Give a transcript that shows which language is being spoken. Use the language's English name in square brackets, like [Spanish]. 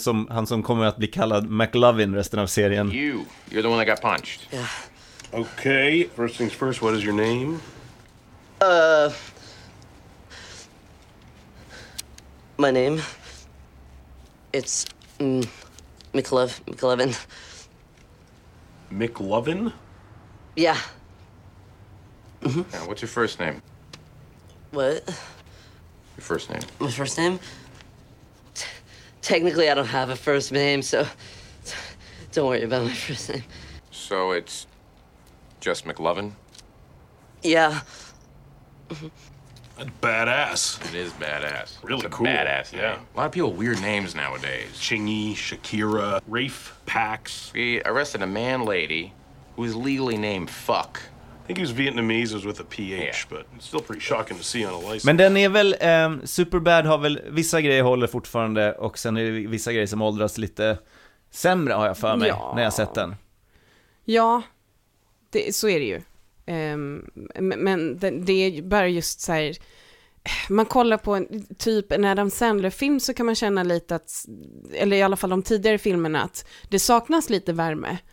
[Swedish] Han som kommer att bli kallad McLovin resten av serien. [English] You, you're the one that got punched. Yeah. Okay, first things first, what is your name? My name, it's McLovin. McLovin? Yeah. Mm-hmm. Yeah, what's your first name? What? Your first name. My first name? Technically, I don't have a first name, so don't worry about my first name. So it's just McLovin? Yeah. That's badass. It is badass. Really it's cool. A badass name. Yeah. A lot of people weird names nowadays. Chingy, Shakira, Rafe, Pax. We arrested a man lady who is legally named Fuck. I think he was Vietnamese, was with a PH, yeah. But it's still pretty shocking to see on a license. [Swedish] Men den är väl, Superbad har väl, vissa grejer håller fortfarande, och sen är det vissa grejer som åldras lite sämre, har jag för mig, när jag sett den. Ja, det, så är det ju. Men det är bara just så här, man kollar på en Adam Sandler-film, så kan man känna lite att, eller i alla fall de tidigare filmerna, att det saknas lite värme.